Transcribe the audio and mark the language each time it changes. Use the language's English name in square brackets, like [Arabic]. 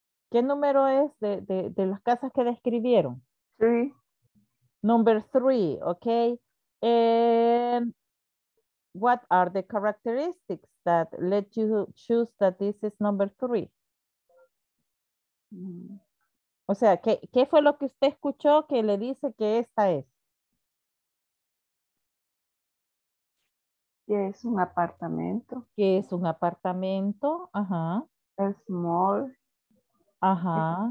[Spanish] ¿Qué número es de las casas que describieron? [English] Three. Number three, okay. And what are the characteristics that let you choose that this is number three? [Spanish] O sea, ¿qué fue lo que usted escuchó que le dice que esta es? Que es un apartamento. Que es un apartamento, ajá. [English] Small. Ajá.